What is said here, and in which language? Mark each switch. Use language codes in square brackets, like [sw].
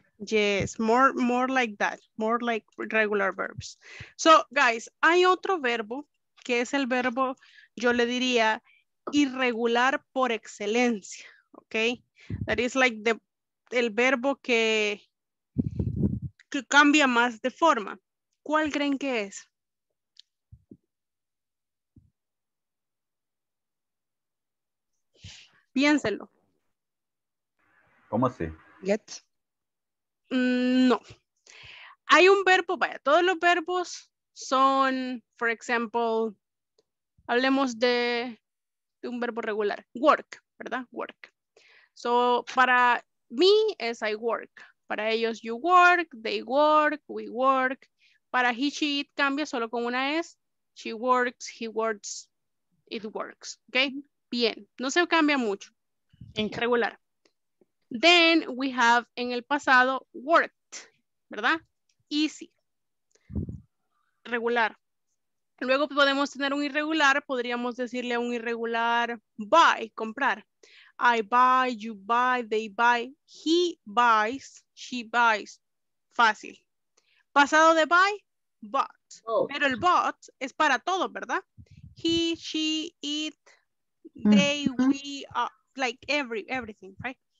[en] Yes, more like that, more like regular verbs. So, guys, [es] hay otro verbo que es el verbo, yo le diría, irregular por excelencia, ¿ok? [en] That is like [es] el verbo que cambia más de forma. ¿Cuál creen que es? Piénselo. ¿Cómo así? [en] Get. [es] No. Hay un verbo, vaya, todos los verbos son, [en] for example, [es] hablemos de un verbo regular, work, ¿verdad? [en] Work. So, [es] para mí es [en] I work. [es] Para ellos, [en] you work, they work, we work. [es] Para he, she, it cambia solo con una S. [en] She works, he works, it works. [es] ¿Ok? Bien. No se cambia mucho. En regular. [en] Then we have [es] en el pasado [en] worked, ¿verdad? Easy. Regular. [es] Luego podemos tener un irregular, podríamos decirle a un irregular buy, comprar. [en] I buy, you buy, they buy, he buys, she buys. [es] Fácil. Pasado de buy, bought. Oh. Pero el bought es para todo, ¿verdad? [en] He, she, it, they, we, like everything, right?